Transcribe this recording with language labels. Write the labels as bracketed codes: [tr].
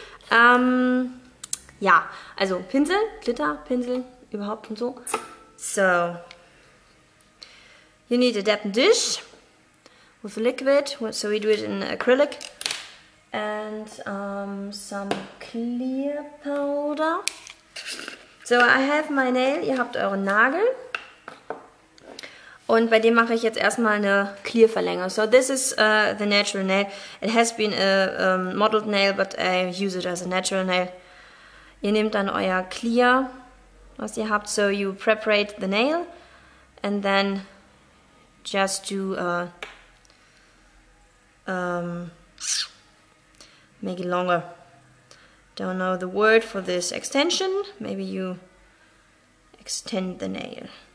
[de] Ja, also Pinsel, Glitter, Pinsel, überhaupt und so. [en] So, you need a dappen dish with liquid. So, we do it in acrylic. And some clear powder. So, I have my nail. [de] Ihr habt euren Nagel. Und bei dem mache ich jetzt erstmal eine Clear Verlängerung. [en] So, this is the natural nail. It has been a modeled nail, but I use it as a natural nail. [de] Ihr nehmt dann euer Clear, was ihr habt. [en] So, you preparate the nail and then just do make it longer. Don't know the word for this extension. Maybe you extend the nail.